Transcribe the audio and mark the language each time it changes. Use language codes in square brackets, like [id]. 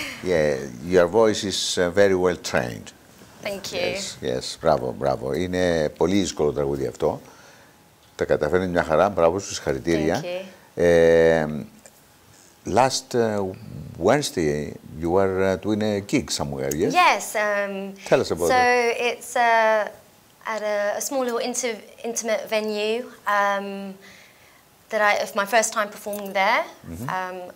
[en] Yeah, your voice is very well trained. Thank you. Yes, bravo, bravo. [el] Είναι πολύ δύσκολο τραγούδι αυτό. Τα καταφέρνει μια χαρά. Μπράβο, συγχαρητήρια. [en] Thank you. Last Wednesday, you were doing a gig somewhere, yes? Yes. Tell us about it. So it's at a small little intimate venue that I, of my first time performing there, mm-hmm.